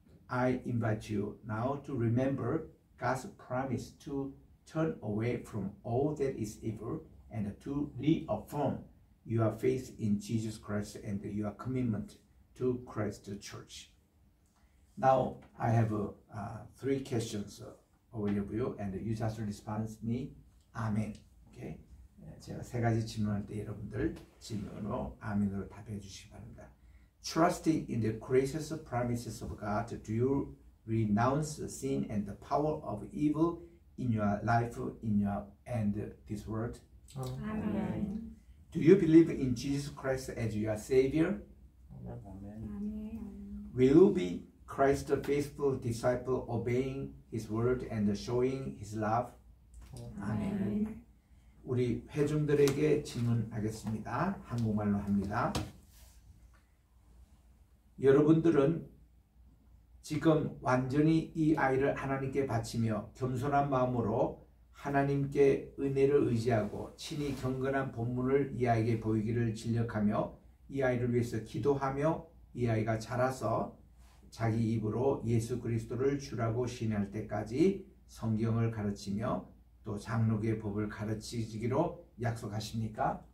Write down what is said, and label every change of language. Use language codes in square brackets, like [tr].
[en] I invite you now to remember God's promise to turn away from all that is evil and to reaffirm your faith in Jesus Christ and your commitment to Christ the Church. Now, I have three questions over you and you just respond to me, Amen. Okay? [ko] 제가 세 가지 질문할 때 여러분들 질문으로 아멘으로 답해 주시기 바랍니다. [en] Trusting in the gracious promises of God, do you renounce sin and the power of evil in your life, in your and this world? Amen. Do you believe in Jesus Christ as your Savior? Amen. Will you be Christ's faithful disciple, obeying His word and showing His love? Amen. [ko] 우리 회중들에게 질문하겠습니다. 한국말로 합니다. 여러분들은 지금 완전히 이 아이를 하나님께 바치며 겸손한 마음으로 하나님께 은혜를 의지하고 친히 경건한 본문을 이 아이에게 보이기를 진력하며 이 아이를 위해서 기도하며 이 아이가 자라서 자기 입으로 예수 그리스도를 주라고 신의할 때까지 성경을 가르치며 또 장로교의 법을 가르치기로 약속하십니까?